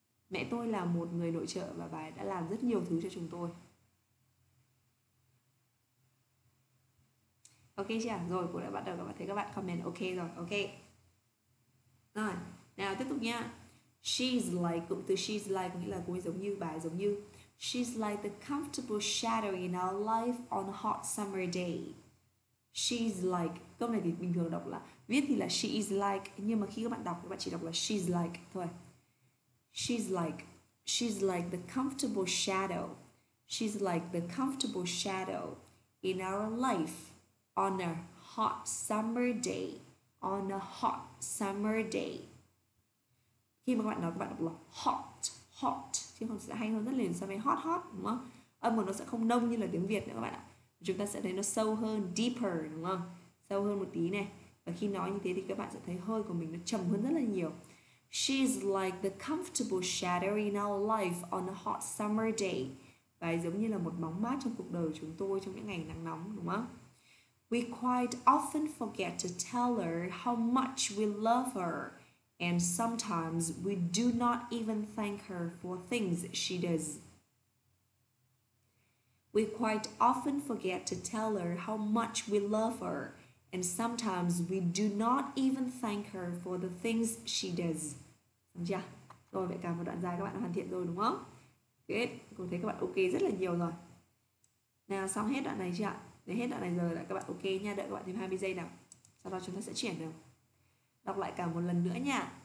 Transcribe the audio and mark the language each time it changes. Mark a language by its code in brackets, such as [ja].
[vi] Mẹ tôi là một người nội trợ và bà đã làm rất nhiều thứ cho chúng tôi. Ok chưa? Rồi, cô đã bắt đầu và thấy các bạn comment ok rồi. Ok. Rồi, nào tiếp tục nha. She's like, cụm từ she's like có nghĩa là cô ấy giống như, bà ấy giống như. [en] She's like the comfortable shadow in our life on a hot summer day. [vi] She's like, câu này thì bình thường đọc là, viết thì là she is like, nhưng mà khi các bạn đọc thì các bạn chỉ đọc là she's like thôi. [en] She's like the comfortable shadow. She's like the comfortable shadow in our life on a hot summer day. On a hot summer day. [vi] Khi mà các bạn nói các bạn đọc là hot, hot, chứ không sẽ hay hơn rất liền so với hot, hot, đúng không? Âm của nó sẽ không nông như là tiếng Việt nữa các bạn ạ. Chúng ta sẽ thấy nó sâu hơn, deeper, đúng không? Sâu hơn một tí này. Và khi nói như thế thì các bạn sẽ thấy hơi của mình nó trầm hơn rất là nhiều. [en] She's like the comfortable shadow in our life on a hot summer day. [vi] Và giống như là một bóng mát trong cuộc đời chúng tôi trong những ngày nắng nóng, đúng không? [en] We quite often forget to tell her how much we love her. And sometimes we do not even thank her for things she does. We quite often forget to tell her how much we love her. And sometimes we do not even thank her for the things she does. [vi] Đúng chưa? Rồi, vậy cả một đoạn dài các bạn đã hoàn thiện rồi đúng không? Good. Cô thấy các bạn ok rất là nhiều rồi. Nào, xong hết đoạn này chưa ạ? Để hết đoạn này rồi là các bạn ok nha. Đợi các bạn thêm 20 giây nào. Sau đó chúng ta sẽ chuyển được. Đọc lại cả một lần nữa nha.